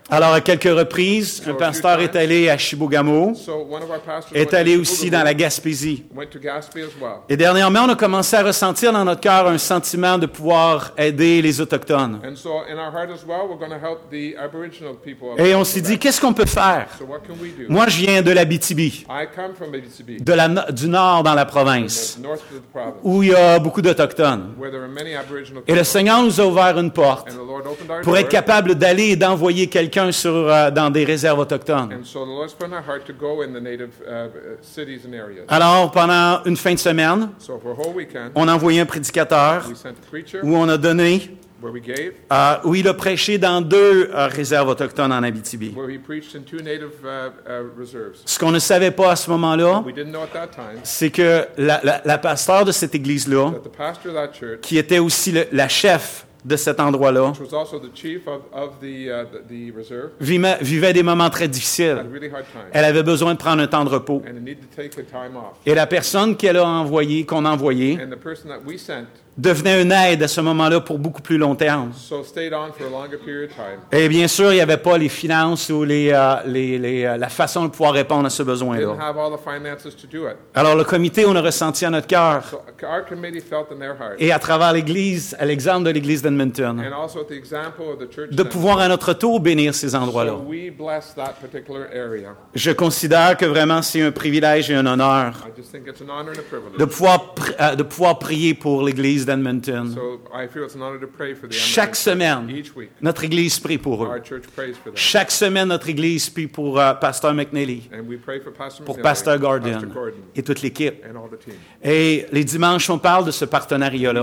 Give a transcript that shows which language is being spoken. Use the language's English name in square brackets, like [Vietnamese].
[French] Alors, à quelques reprises, un pasteur est allé à Chibougamau, [English] so one of our pastors [French] est allé aussi dans la Gaspésie. [English] Went to Gaspé as well. [French] Et dernièrement, on a commencé à ressentir dans notre cœur un sentiment de pouvoir aider les Autochtones. [English] And so in our heart as well, we're going to help the Aboriginal people. [French] Et on s'est dit, qu'est-ce qu'on peut faire? [English] So what can we do? [French] Moi, je viens de l'Abitibi. [English] I come from Abitibi. [French] Du nord dans la province. [English] North of the province. [French] Où il y a beaucoup d'Autochtones. [English] Where there are many Aboriginal [French] people. Et le Seigneur nous a ouvert une porte pour être capable d'aller et d'envoyer quelqu'un dans des réserves autochtones. [English] And so the Lord's put in our heart to go in the native cities and areas. [French] Alors, pendant une fin de semaine, [English] so for a whole weekend, [French] on a envoyé un prédicateur, [English] we sent a preacher, [French] où on a donné, [English] where we gave, [French] où il a prêché dans deux réserves autochtones en Abitibi. [English] Where he preached in two native, reserves. [French] Ce qu'on ne savait pas à ce moment-là, [English] we didn't know at that time, [French] c'est que la pasteur de cette église-là, [English] that the pastor of that church, [French] qui était aussi la chef de cet endroit-là, [English] which was also the chief of the reserve, [French] vivait des moments très difficiles. [English] Had a really hard time. [French] Elle avait besoin de prendre un temps de repos. [English] And it needed to take the time off. [French] Et la personne qu'on a envoyée, [English] and the person that we sent, [French] devenait une aide à ce moment-là pour beaucoup plus long terme. [English] So stayed on for a longer period of time. [French] Et bien sûr, il n'y avait pas les finances ou la façon de pouvoir répondre à ce besoin-là. [English] Didn't have all the finances to do it. [French] Alors, le comité, on a ressenti à notre cœur. [English] So our committee felt in their heart. [French] Et à travers l'Église, à l'exemple de l'Église d'Edmonton. [English] And also at the example of the church. [French] De pouvoir à notre tour bénir ces endroits-là. [English] So we bless that particular area. [French] Je considère que vraiment, c'est un privilège et un honneur. [English] I just think it's an honor and a privilege. [French] De pouvoir prier pour l'Église d'Edmonton. [English] So I feel it's an honor to pray for the [French] Edmonton. Chaque semaine, [English] each week, [French] notre église prie pour eux. [English] Our church prays for them. [French] Chaque semaine, notre église prie pour Pasteur McNally, [English] and we pray for Pastor McNally, [French] pour Pasteur Gordon, [English] Pastor Gordon, [French] et toute l'équipe. [English] And all the team. [French] Et les dimanches, on parle de ce partenariat-là.